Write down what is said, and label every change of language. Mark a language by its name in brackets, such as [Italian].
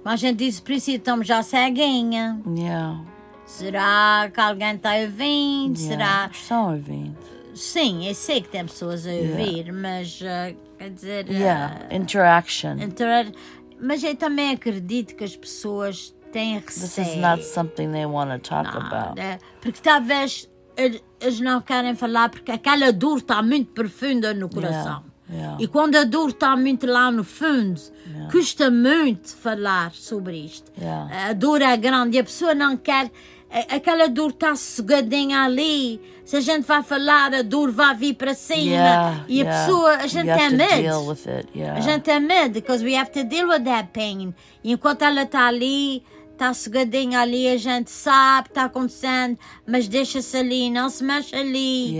[Portuguese] Mas a gente disse, por isso estamos já ceguinha. [English] Yeah. [Portuguese] Será que alguém está ouvindo? [English] Yeah. [Portuguese] Será? Estão ouvindo. Sim, eu sei que tem pessoas a ouvir, mas quer dizer. [English] Yeah. Interaction. [Portuguese] Mas eu também acredito que as pessoas têm receio. [English] This is not something they want to talk about. [Portuguese] Porque talvez eles não querem falar porque aquela dor está muito profunda no coração. [English] Yeah. Yeah. [Portuguese] E quando a dor está muito lá no fundo, custa muito falar sobre isto. [English] Yeah. [Portuguese] A dor é grande e a pessoa não quer... Aquela dor está sugadinha ali. Se a gente vai falar, a dor vai vir para cima. [English] Yeah. [Portuguese] E a pessoa... A gente tem medo. [English] Yeah. [Portuguese] A gente tem medo, [English] because we have to deal with that pain. [Portuguese] E enquanto ela está ali, está sugadinha ali, a gente sabe o que está acontecendo, mas deixa-se ali, não se mexe ali.